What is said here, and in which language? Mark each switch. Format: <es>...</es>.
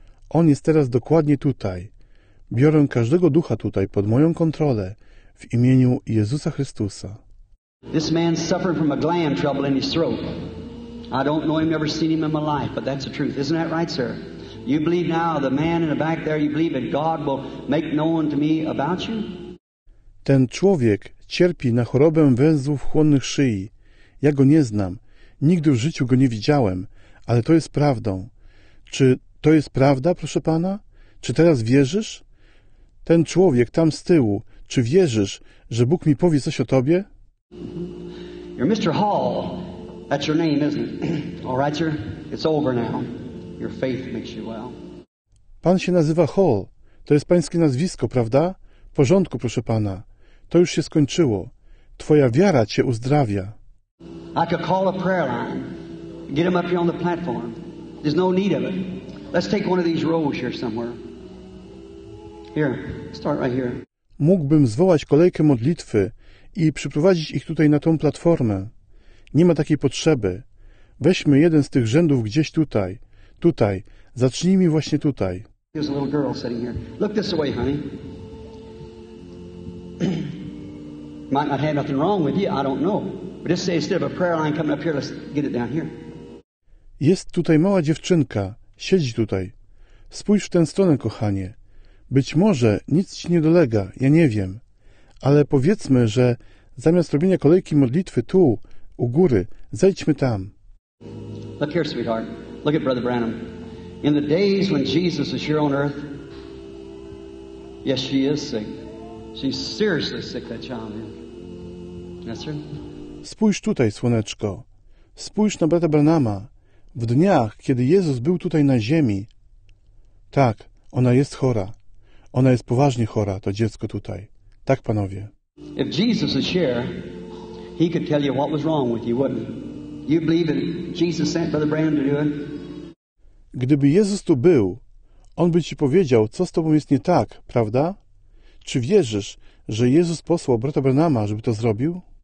<pl>On jest teraz dokładnie tutaj. Biorę każdego ducha tutaj pod moją kontrolę w imieniu Jezusa Chrystusa.</pl> <en>This man suffered from a gland trouble in his throat. I don't know him, never seen him in my life, but that's the truth. Isn't that right, sir? You believe now, the man in the back there, you believe that God will make known to me about you?</en> <pl>Ten człowiek cierpi na chorobę węzłów chłonnych szyi. Ja go nie znam. Nigdy w życiu go nie widziałem, ale to jest prawdą. Czy to jest prawda, proszę pana? Czy teraz wierzysz? Ten człowiek tam z tyłu, czy wierzysz, że Bóg mi powie coś o tobie?</pl> <en>You're Mr. Hall. That's your name, isn't it? All right, sir. It's over now. Your faith makes you well.</en> <pl>Pan się nazywa Hall. To jest pańskie nazwisko, prawda? W porządku, proszę pana. To już się skończyło. Twoja wiara cię uzdrawia.</pl> <en>I could call a prayer line. Get him up here on the platform. There's no need of it. Let's take one of these rows here somewhere. Here, start right here.</en> <pl>Mógłbym zwołać kolejkę modlitwy i przyprowadzić ich tutaj na tą platformę. Nie ma takiej potrzeby. Weźmy jeden z tych rzędów gdzieś tutaj. Tutaj. Zacznijmy właśnie tutaj.</pl> <en>There's a little girl sitting here. Look this way, honey. Might not have nothing wrong with you, I don't know. But just say instead of a prayer line coming up here, let's get it down here.</en> <pl>Jest tutaj mała dziewczynka. Siedzi tutaj. Spójrz w tę stronę, kochanie. Być może nic ci nie dolega, ja nie wiem. Ale powiedzmy, że zamiast robienia kolejki modlitwy tu, u góry, zejdźmy tam.</pl> <en>Look here, sweetheart. Look at Brother Branham. In the days when Jesus was here on earth, yes, she is sick. She's seriously sick, that child. Yes, sir?</en> <pl>Spójrz tutaj, słoneczko. Spójrz na brata Branhama. W dniach, kiedy Jezus był tutaj na ziemi. Tak, ona jest chora. Ona jest poważnie chora, to dziecko tutaj. Tak, panowie.</pl> <en>If Jesus is here, he could tell you what was wrong with you, wouldn't he? You believe that Jesus sent Brother Branham to do it?</en> <pl>Gdyby Jezus tu był, On by ci powiedział, co z tobą jest nie tak, prawda? Czy wierzysz, że Jezus posłał brata Branhama, żeby to zrobił?</pl>